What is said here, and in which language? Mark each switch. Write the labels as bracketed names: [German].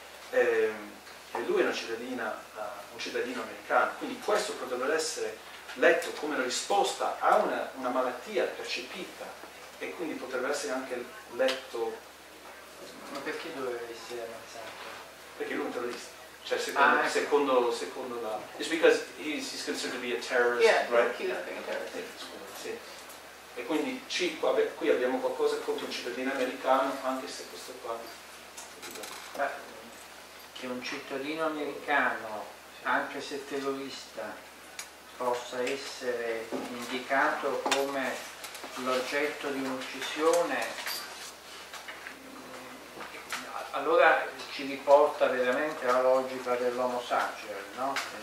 [Italian] E lui è una cittadina. Un cittadino americano, quindi questo potrebbe essere letto come una risposta a una malattia percepita e quindi potrebbe essere anche letto... Ma perché doveva essere ammazzato? Perché lui è un terrorista, cioè secondo la... [English] It's because he's considered to be a terrorist, yeah, right? Yeah, [Italian] sì. E quindi qui abbiamo qualcosa contro un cittadino americano, anche se questo qua... Che un cittadino americano, anche se terrorista, possa essere indicato come l'oggetto di un'uccisione, allora ci riporta veramente alla logica dell'homo sapiens, no?